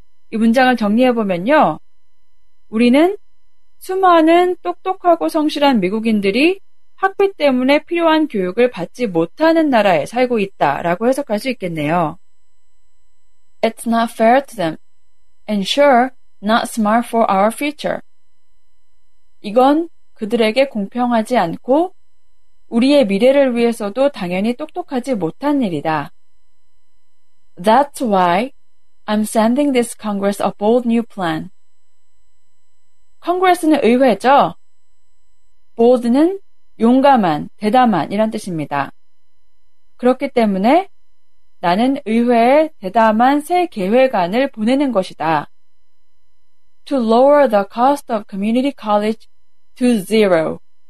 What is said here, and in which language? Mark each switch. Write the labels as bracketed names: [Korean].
[Korean] 이 문장을 정리해보면요. 우리는 수많은 똑똑하고 성실한 미국인들이 학비 때문에 필요한 교육을 받지 못하는 나라에 살고 있다 라고 해석할 수 있겠네요. [English] It's not fair to them. And sure, not smart for our future. [Korean] 이건 그들에게 공평하지 않고 우리의 미래를 위해서도 당연히 똑똑하지 못한 일이다. [English] That's why I'm sending this Congress a bold new plan. [Korean] Congress는 의회죠. Bold는 용감한, 대담한이란 뜻입니다. 그렇기 때문에 나는 의회에 대담한 새 계획안을 보내는 것이다. [English] To lower the cost of community college to zero.